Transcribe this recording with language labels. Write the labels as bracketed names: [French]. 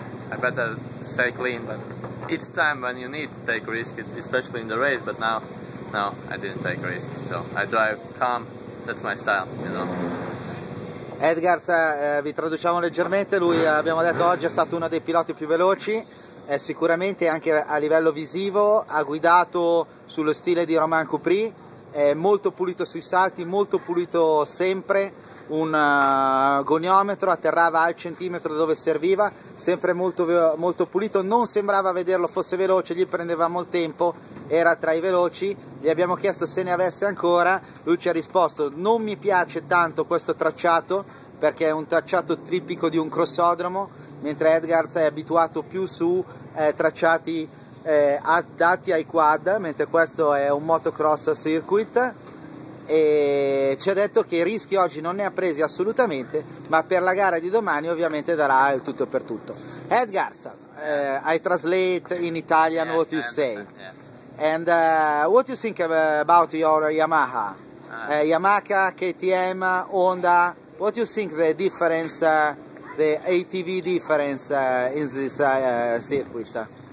[English] I better stay clean, but it's time when you need to take risk, especially in the race, but now, no, I didn't take risk, so I drive calm, that's my style, you know. [Italian] Edgard, vi traduciamo leggermente, lui abbiamo detto oggi è stato uno dei piloti più veloci, è sicuramente anche a livello visivo, ha guidato sullo stile di Romain Coupry, è molto pulito sui salti, molto pulito sempre, un goniometro, atterrava al centimetro dove serviva, sempre molto, molto pulito, non sembrava vederlo fosse veloce, gli prendeva molto tempo, era tra i veloci, gli abbiamo chiesto se ne avesse ancora, lui ci ha risposto non mi piace tanto questo tracciato perché è un tracciato tipico di un crossodromo, mentre Edgard è abituato più su tracciati adatti ai quad, mentre questo è un motocross circuit. E ci ha detto che i rischi oggi non ne ha presi assolutamente, ma per la gara di domani ovviamente darà il tutto per tutto. [English] Edgard, I translate in Italian, yeah, what you I say, yeah. And what you think about your Yamaha, Yamaha, KTM, Honda, what you think the difference, the ATV difference in this circuit?